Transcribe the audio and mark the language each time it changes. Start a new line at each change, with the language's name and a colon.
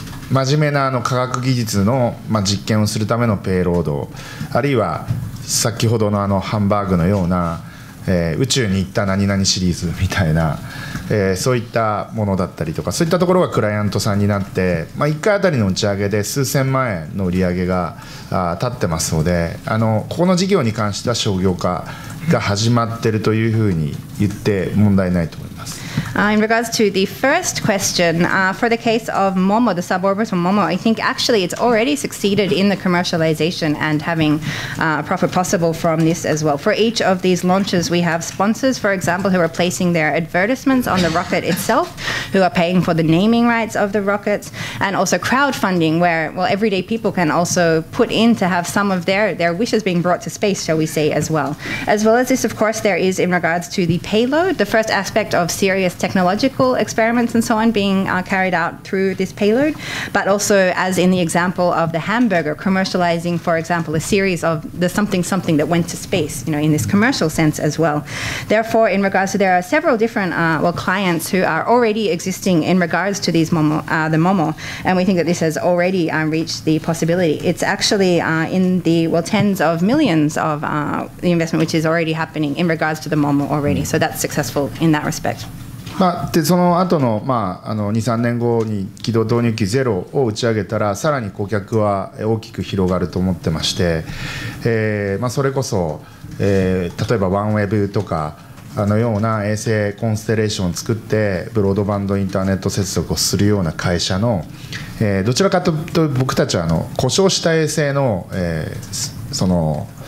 Japanese: 真面目なあの科学技術の、まあ、実験をするためのペイロード、あるいは先ほど の, あのハンバーグのような、宇宙に行った何々シリーズみたいな、そういったものだったりとか、そういったところがクライアントさんになって、まあ、1回あたりの打ち上げで数千万円の売り上げが立ってますので、あのここの事業に関しては商業化が始まってるというふうに言って問題ないと思います。
English: In regards to the first question, for the case of Momo, the suborbital Momo, I think actually it's already succeeded in the commercialization and having a profit possible from this as well. For each of these launches, we have sponsors, for example, who are placing their advertisements on the rocket itself, who are paying for the naming rights of the rockets, and also crowdfunding, where, well, everyday people can also put in to have some of their wishes being brought to space, shall we say, as well. As well as this, of course, there is in regards to the payload, the first aspect of Sirius technological experiments and so on being carried out through this payload, but also as in the example of the hamburger commercializing, for example, a series of the something something that went to space, you know, in this commercial sense as well. Therefore, in regards to there are several different clients who are already existing in regards to these Momo, the Momo, and we think that this has already reached the possibility. It's actually in the well tens of millions of the investment which is already happening in regards to the Momo already. So that's successful in that respect.
Japanese: まあ、でその後の、まあ、あの 2,3 年後に軌道投入機ゼロを打ち上げたらさらに顧客は大きく広がると思ってまして、まあ、それこそ、例えばワンウェブとかあのような衛星コンステレーションを作ってブロードバンドインターネット接続をするような会社の、どちらかというと僕たちはあの故障した衛星の、その